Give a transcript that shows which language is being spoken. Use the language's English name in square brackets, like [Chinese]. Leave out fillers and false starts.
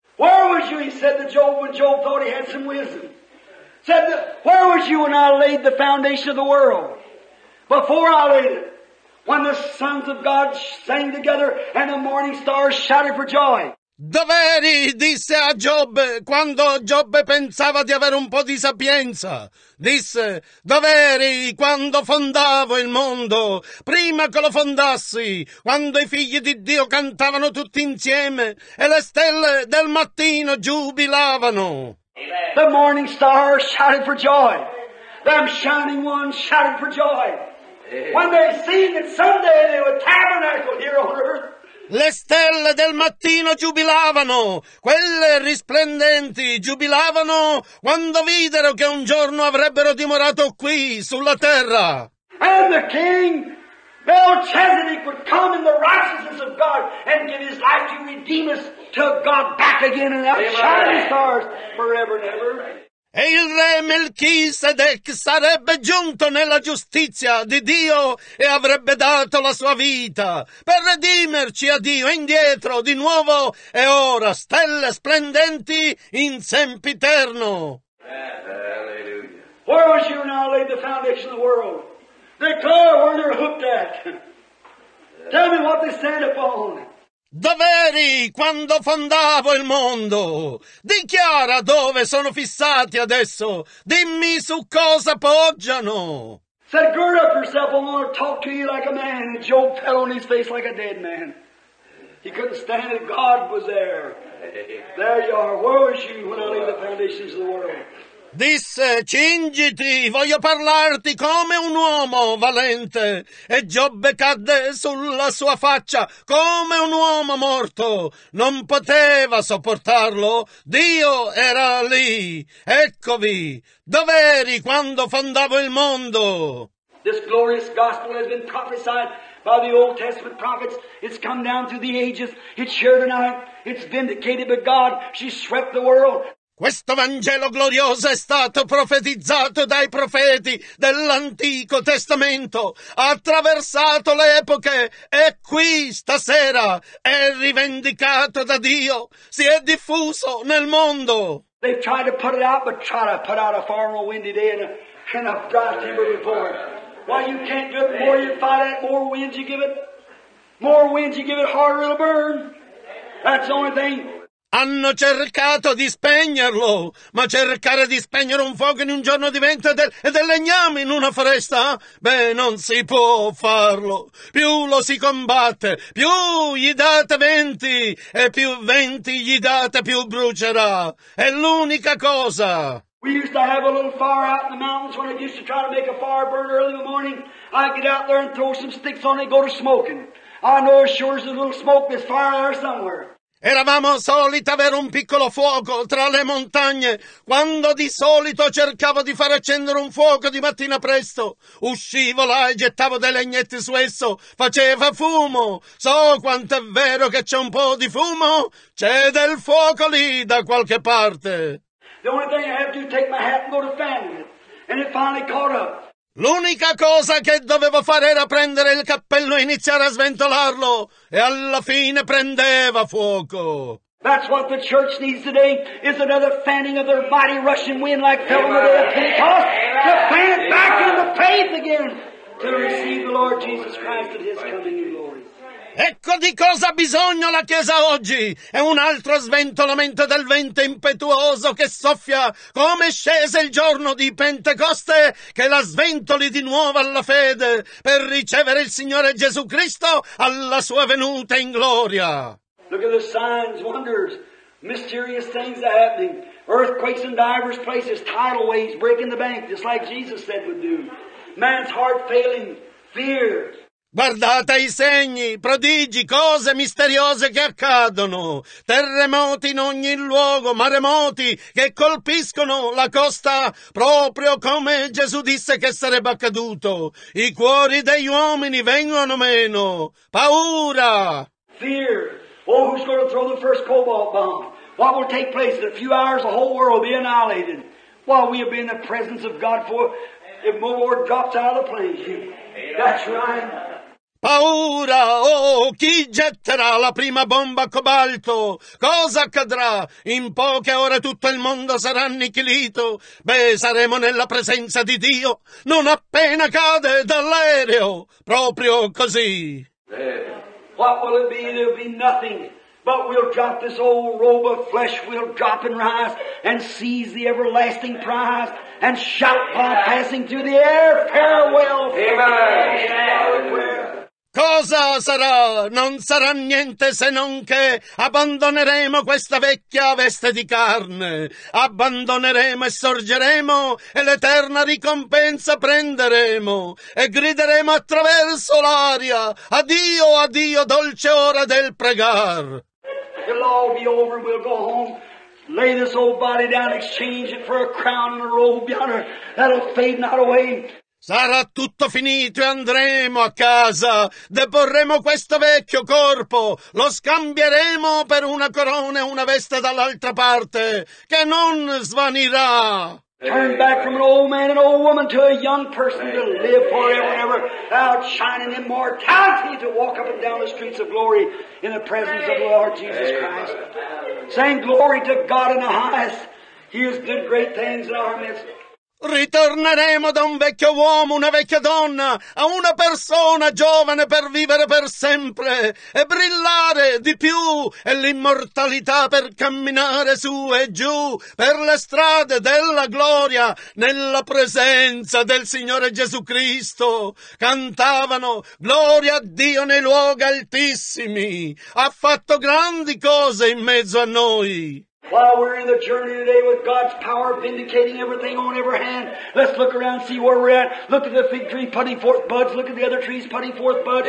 [English] Where was you? He said to Job when Job thought he had some wisdom. Said, where was you when I laid the foundation of the world? Before I laid it. When the sons of God sang together and the morning stars shouted for joy. [Italian] Dove eri, disse a Giobbe, quando Giobbe pensava di avere un po' di sapienza? Disse, dove eri quando fondavo il mondo, prima che lo fondassi, quando i figli di Dio cantavano tutti insieme e le stelle del mattino giubilavano? [English] The morning stars shouted for joy. Them shining ones shouted for joy. When they seen that someday they would tabernacle here on earth. [Italian] Le stelle del mattino giubilavano, quelle risplendenti giubilavano quando videro che un giorno avrebbero dimorato qui, sulla terra. [English] And the king Melchizedek would come in the righteousness of God and give his life to redeem us to God back again in our shining stars forever and ever. [Italian] E il re Melchisedec sarebbe giunto nella giustizia di Dio e avrebbe dato la sua vita per redimerci a Dio indietro di nuovo e ora stelle splendenti in sempiterno. [English] Hallelujah. Where was you when I laid the foundation of the world? Declare where they're hooked at. Tell me what they stand upon. [Italian] Dove eri quando fondavo il mondo? Dichiara dove sono fissati adesso. Dimmi su cosa poggiano. [English] Said, gird up yourself, I want to talk to you like a man. And Job fell on his face like a dead man. He couldn't stand it. God was there. There you are. Where was you when I laid the foundations of the world? [Italian] Disse, cingiti, voglio parlarti come un uomo valente. E Giobbe cadde sulla sua faccia come un uomo morto. Non poteva sopportarlo. Dio era lì. Eccovi, dov'eri quando fondavo il mondo? [English] This glorious gospel has been prophesied by the Old Testament prophets. It's come down through the ages. It's shared tonight. It's vindicated by God. She swept the world. [Italian] Questo Vangelo glorioso è stato profetizzato dai profeti dell'Antico Testamento, ha attraversato le epoche e qui stasera è rivendicato da Dio, si è diffuso nel mondo. [English] They've tried to put it out, but try to put out a far more windy day and a dry timber before it. Why you can't do it, the more you fight it, more winds you give it, harder it'll burn. That's the only thing. [Italian] Hanno cercato di spegnerlo, ma cercare di spegnere un fuoco in un giorno di vento e del legname in una foresta? Beh, non si può farlo. Più lo si combatte, più gli date venti, e più venti gli date, più brucerà. È l'unica cosa. [English] We used to have a little fire out in the mountains when I used to try to make a fire burn early in the morning. I'd get out there and throw some sticks on it and go to smoking. I know as sure as there's a little smoke, there's fire there somewhere. [Italian] Eravamo soliti avere un piccolo fuoco tra le montagne, quando di solito cercavo di far accendere un fuoco di mattina presto. Uscivo là e gettavo dei legnetti su esso, faceva fumo. So quanto è vero che c'è un po' di fumo, c'è del fuoco lì da qualche parte. [English] The only thing I have to do is take my hat and go to fan it, and it finally caught up. [Italian] L'unica cosa che dovevo fare era prendere il cappello e iniziare a sventolarlo, e alla fine prendeva fuoco. [English] That's what the church needs today, is another fanning of their mighty rushing wind like fell on the day of Pentecost, to fan it back in the faith again, to receive the Lord Jesus Christ at His coming in glory. [Italian] Ecco di cosa ha bisogno la Chiesa oggi. È un altro sventolamento del vento impetuoso che soffia come scese il giorno di Pentecoste, che la sventoli di nuovo alla fede per ricevere il Signore Gesù Cristo alla sua venuta in gloria. [English] Look at the signs, wonders, mysterious things are happening. Earthquakes in diverse places, tidal waves breaking the bank, just like Jesus said would do. Man's heart failing, fear. [Italian] Guardate i segni, prodigi, cose misteriose che accadono. Terremoti in ogni luogo, maremoti che colpiscono la costa, proprio come Gesù disse che sarebbe accaduto. I cuori degli uomini vengono meno. Paura! [English] Fear! Oh, who's going to throw the first cobalt bomb? What will take place in a few hours? The whole world will be annihilated while we have been in the presence of God for if more water drops out of the plane. That's right. [Italian] Paura, oh, chi getterà la prima bomba a cobalto? Cosa accadrà? In poche ore tutto il mondo sarà annichilito. Beh, saremo nella presenza di Dio non appena cade dall'aereo, proprio così. [English] What will it be? There'll be nothing, but we'll drop this old robe of flesh, we'll drop and rise, and seize the everlasting prize, and shout while passing through the air, farewell. Amen. [Italian] Cosa sarà? Non sarà niente se non che abbandoneremo questa vecchia veste di carne. Abbandoneremo e sorgeremo e l'eterna ricompensa prenderemo. E grideremo attraverso l'aria, addio, addio, dolce ora del pregar. [English] It'll all be over, we'll go home, lay this old body down, exchange it for a crown and a robe yonder, that'll fade not away. [Italian] Sarà tutto finito e andremo a casa. Deporremo questo vecchio corpo. Lo scambieremo per una corona e una veste dall'altra parte, che non svanirà. [English] Turn back from an old man and old woman to a young person to live forever and ever, outshining immortality to walk up and down the streets of glory in the presence of the Lord Jesus Christ. Saying glory to God in the highest. He has done great things in our midst. [Italian] Ritorneremo da un vecchio uomo, una vecchia donna, a una persona giovane per vivere per sempre e brillare di più e l'immortalità per camminare su e giù per le strade della gloria nella presenza del Signore Gesù Cristo. Cantavano gloria a Dio nei luoghi altissimi, ha fatto grandi cose in mezzo a noi. [English] While we're in the journey today with God's power vindicating everything on every hand, let's look around, see where we're at. Look at the fig tree putting forth buds. Look at the other trees putting forth buds.